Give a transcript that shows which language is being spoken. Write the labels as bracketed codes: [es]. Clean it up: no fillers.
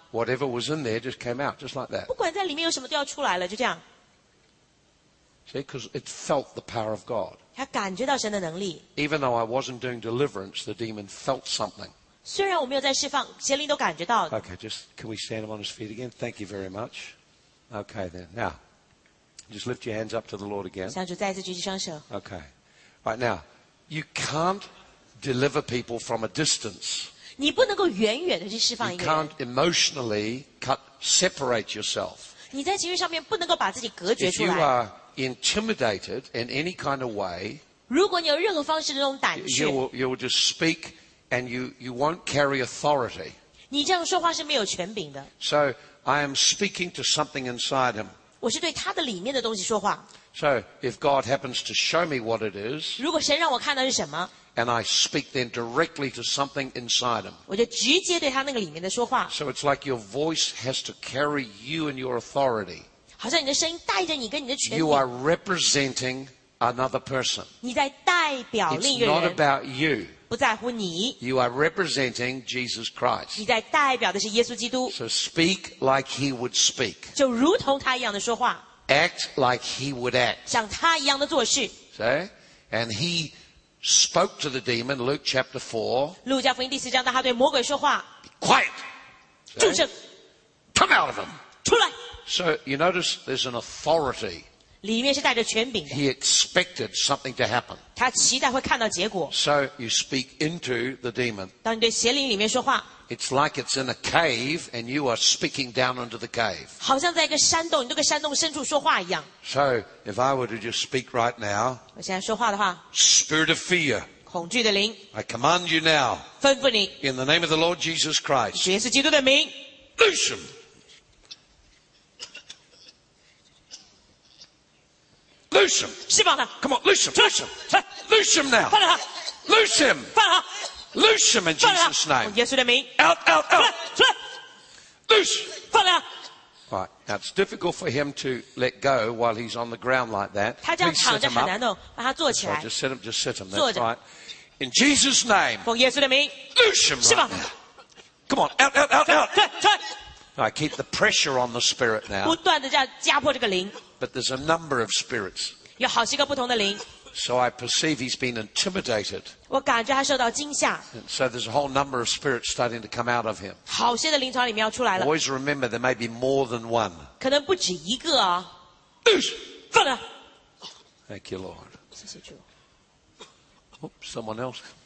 [en] Whatever was in there just came out, just like that. [zh] 不管在里面有什么都要出来了，就这样。 [en] See, because it felt the power of God. [zh] 他感觉到神的能力。 [en] Even though I wasn't doing deliverance, the demon felt something. [zh] 虽然我没有在释放，邪灵都感觉到 [en] 了。Okay, just can we stand him on his feet again? Thank you very much. Okay, then now, just lift your hands up to the Lord again. [zh] 向主再次举起双手。 [en] Okay, right now, you can't deliver people from a distance. [zh] 你不能够远远的去释放一个人。 [en] You can't emotionally separate yourself. [zh] 你在情绪上面不能够把自己隔绝出来。 [en] If you are intimidated in any kind of way, [zh] 如果你有任何方式的那种胆怯 [en] you will just speak. And you won't carry authority. [zh] 你这样说话是没有权柄的。 [en] So I am speaking to something inside him. [zh] 我是对他的里面的东西说话。 [en] So if God happens to show me what it is, [zh] 如果神让我看到是什么 [en] ，and I speak then directly to something inside him. [zh] 我就直接对他那个里面的说话。 [en] So it's like your voice has to carry you and your authority. [zh] 好像你的声音带着你跟你的权柄。 [en] You are representing another person. [zh] 你在代表另一个人。 [en] It's not about you. [zh] 不在乎你。 [en] You are representing Jesus Christ. [zh] 你在代表的是耶稣基督。 [en] So speak like he would speak. [zh] 就如同他一样的说话。 [en] Act like he would act. [zh] 像他一样的做事。 [en] See? And he spoke to the demon, Luke chapter 4. [zh] 路加福音第四章，当他对魔鬼说话。 [en] Be quiet! [zh] 住手。 [en] Come out of him! [zh] 出来。 [en] So you notice there's an authority. [zh] 里面是带着权柄的。 [en] He expected something to happen. [zh] 他期待会看到结果。 [en] So you speak into the demon. [zh] 当你对邪灵里面说话。 [en] It's like it's in a cave and you are speaking down into the cave. [zh] 好像在一个山洞，你都跟山洞深处说话一样。 [en] So if I were to just speak right now. [zh] 我现在说话的话。 [en] Spirit of fear. [zh] 恐惧的灵。 [en] I command you now. [zh] 吩咐你。 [en] In the name of the Lord Jesus Christ. [zh] 耶稣基督的名。 [en] Loose him. Loose him. [zh] 释放他。 [en] Come on, loose him, loose him. Loose him now. [zh] 放他。 [en] Loose him. [zh] 放他。 [en] Loose him in Jesus' name. [zh] 耶稣的名。 [en] Out, out, out. [zh] 放他。 [en] Loose. [zh] 放他。 [en] Right, now it's difficult for him to let go while he's on the ground like that. [zh] 他这样躺着很难弄，把他坐起来。 [en] Just sit him, that's right. In Jesus' name. [zh] 奉耶稣的名。 [en] Loose him right now. Come on, out, out, out, out. I keep the pressure on the spirit now. [zh] 不断的这样压迫这个灵。 [en] But there's a number of spirits. [zh] 有好几个不同的灵。 [en] So I perceive he's been intimidated. [zh] 我感觉他受到惊吓。 [en] So there's a whole number of spirits starting to come out of him. [zh] 好些的灵从里面要出来了。 [en] Always remember there may be more than one. [zh] 可能不止一个啊。放他。 [en] Thank you, Lord. [zh] 谢谢主。 [en] Oops, someone else.